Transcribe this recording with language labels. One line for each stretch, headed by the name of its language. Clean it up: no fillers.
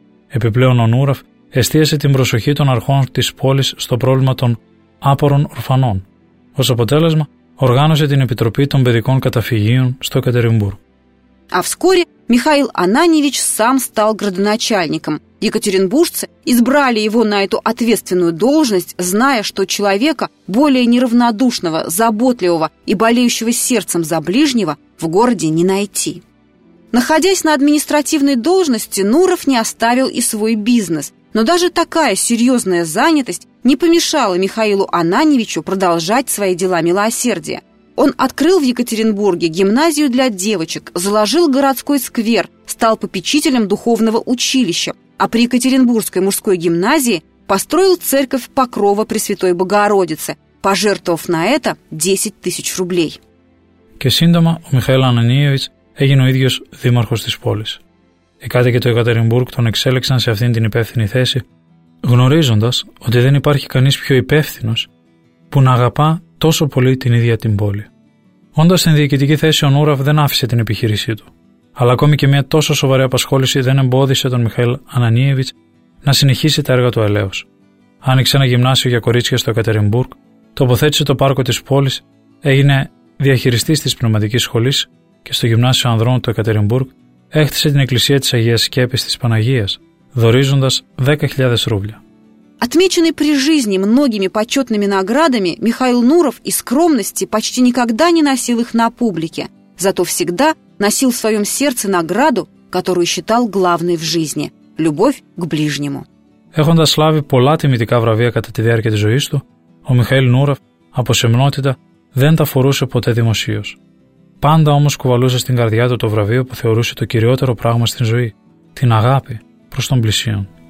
Greek: Επιπλέον ο Νούραφ εστίασε την προσοχή των αρχών της πόλης στο πρόβλημα των άπορων ορφανών. Ως αποτέλεσμα, οργάνωσε την Επιτροπή των Παιδικών Καταφυγίων στο Екатеринбург.
Russian: А вскоре Михаил Ананевич сам стал градоначальником. Екатеринбуржцы избрали его на эту ответственную должность, зная, что человека, более неравнодушного, заботливого и болеющего сердцем за ближнего, в городе не найти. Находясь на административной должности, Нуров не оставил и свой бизнес. Но даже такая серьезная занятость не помешала Михаилу Ананевичу продолжать свои дела милосердия. Он открыл в Екатеринбурге гимназию для девочек, заложил городской сквер, стал попечителем духовного училища, а при Екатеринбургской мужской гимназии построил церковь Покрова Пресвятой Богородицы, пожертвовав на это 10 тысяч рублей.
Greek: Και σύντομα ο Михаил Ананиевич έγινε ο ίδιος δήμαρχος της πόλης. Οι κάτοικοι του Εκατερινμπούργκ τον εξέλεξαν σε αυτήν την υπεύθυνη θέση, γνωρίζοντας ότι δεν υπάρχει κανείς πιο υπεύθυνος που να αγαπά τόσο πολύ την ίδια την πόλη. Όντας στην διοικητική θέση, ο Νούραφ δεν άφησε την επιχείρησή του. Αλλά ακόμη και μια τόσο σοβαρή απασχόληση δεν εμπόδισε τον Μιχαήλ Ανανίεβιτς να συνεχίσει τα έργα του ελέως. Άνοιξε ένα γυμνάσιο για κορίτσια στο Εκατερινμπούργκ, τοποθέτησε το πάρκο της πόλης, έγινε διαχειριστής της πνευματικής σχολής και στο γυμνάσιο ανδρών του Εκατερινμπούργκ. Έχτισε την εκκλησία της Αγίας Σκέπης της Παναγίας, δωρίζοντας 10.000 рубля.
Russian: Отмеченный при жизни многими почетными наградами, Михаил Нуров из скромности почти никогда не носил их на публике, зато всегда носил в своем сердце награду, которую считал главной в жизни – любовь к ближнему.
Greek: Έχοντας λάβει πολλά τιμητικά βραβεία κατά τη διάρκεια της ζωής του, ο Μιχαήλ Νούροφ από σεμνότητα δεν τα φορούσε ποτέ δημοσίως. Πάντα όμως κουβαλούσε στην καρδιά του το βραβείο που θεωρούσε το κυριότερο πράγμα στην ζωή, την αγάπη προς τον πλησίον.